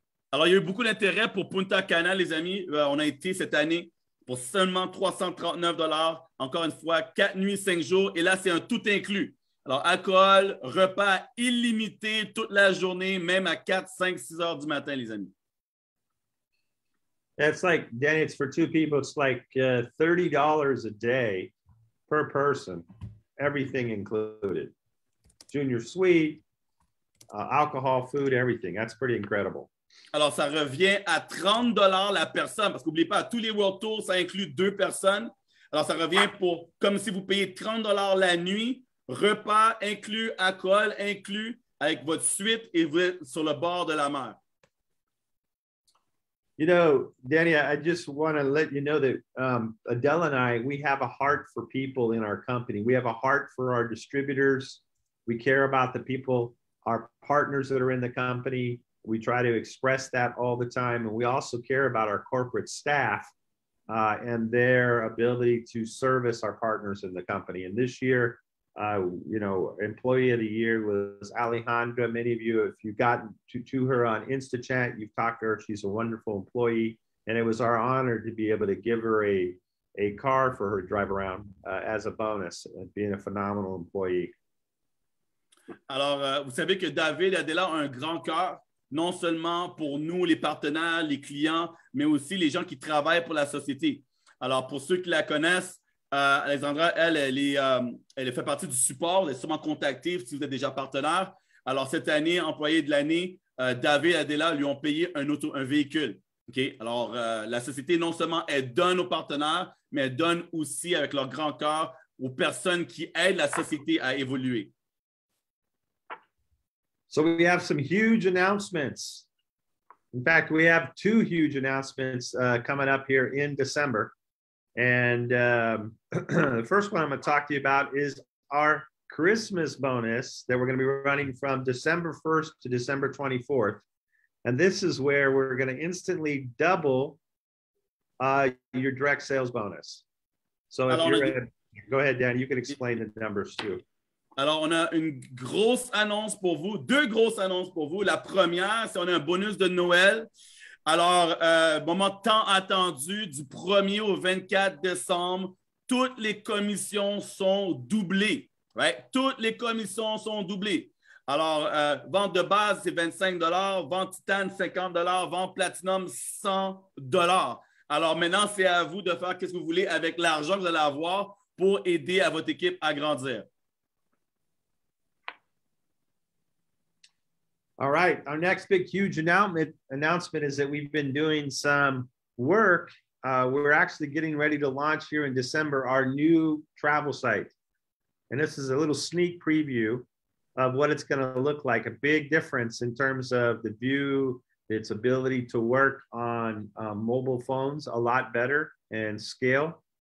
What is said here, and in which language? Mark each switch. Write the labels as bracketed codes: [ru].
[fr] Alors, il y a eu beaucoup d'intérêt pour Punta Cana, les amis. On a été cette année pour seulement $339, encore une fois, 4 nuits, 5 jours. Et là, c'est un tout inclus. Alors, alcool, repas illimité toute la journée, même à 4, 5, 6 heures du matin, les amis. [en] It's like, Danny, it's for two people, it's like $30 a day per person, everything included. Junior suite, alcohol, food, everything. That's pretty incredible. [fr] Alors, ça revient à $30 la personne, parce qu'oubliez pas, tous les World Tours, ça inclut 2 personnes. Alors, ça revient pour, comme si vous payez $30 la nuit, repas inclus, alcool inclus, avec votre suite et vous êtes sur le bord de la mer. [en] You know, Danny, I just want to let you know that Adele and I, we have a heart for people in our company. We have a heart for our distributors. We care about the people, our partners that are in the company. We try to express that all the time. And we also care about our corporate staff and their ability to service our partners in the company. And this year, employee of the year was Alejandra. Many of you, if you've gotten to her on InstaChat, you've talked to her. She's a wonderful employee. And it was our honor to be able to give her a car for her drive around as a bonus, being a phenomenal employee. [fr] Alors, vous savez que David Adela a un grand cœur. non seulement pour nous, les partenaires, les clients, mais aussi les gens qui travaillent pour la société. Alors, pour ceux qui la connaissent, Alexandra, elle fait partie du support, elle est sûrement contactée si vous êtes déjà partenaire. Alors, cette année, employé de l'année, David et Adela lui ont payé un véhicule. Okay? Alors, la société, non seulement elle donne aux partenaires, mais elle donne aussi avec leur grand cœur aux personnes qui aident la société à évoluer. [en] So we have some huge announcements. In fact, we have two huge announcements coming up here in December. And the first one I'm going to talk to you about is our Christmas bonus that we're going to be running from December 1st to December 24th. And this is where we're going to instantly double your direct sales bonus. So if go ahead, Dan, you can explain the numbers too. [fr] Alors, on a une grosse annonce pour vous, deux grosses annonces pour vous. La première, c'est on a un bonus de Noël. Alors, moment tant attendu, du 1er au 24 décembre, toutes les commissions sont doublées. Right? Toutes les commissions sont doublées. Alors, vente de base, c'est 25 $, vente titane, 50 $, vente platinum, 100 $. Alors, maintenant, c'est à vous de faire qu'est-ce que vous voulez avec l'argent que vous allez avoir pour aider à votre équipe à grandir. [en] All right, our next big huge announcement is that we've been doing some work. We're actually getting ready to launch here in December our new travel site. And this is a little sneak preview of what it's going to look like, a big difference in terms of the view, its ability to work on mobile phones a lot better and scale.